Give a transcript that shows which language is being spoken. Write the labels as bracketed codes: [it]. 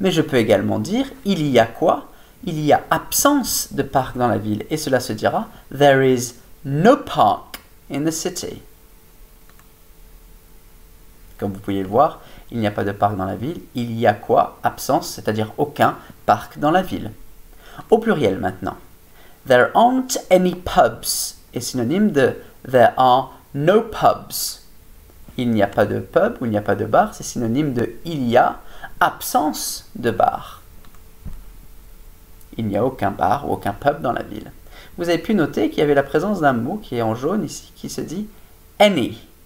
[fr] Mais je peux également dire « il y a quoi ?» Il y a absence de parc dans la ville. Et cela se dira [en] « there is no park in the city ». [fr] Comme vous pouvez le voir, il n'y a pas de parc dans la ville. Il y a quoi ? Absence, c'est-à-dire aucun parc dans la ville. Au pluriel maintenant. [en] There aren't any pubs [fr] est synonyme de [en] there are no pubs. [fr] Il n'y a pas de pub ou il n'y a pas de bar, c'est synonyme de il y a absence de bar. Il n'y a aucun bar ou aucun pub dans la ville. Vous avez pu noter qu'il y avait la présence d'un mot qui est en jaune ici qui se dit any.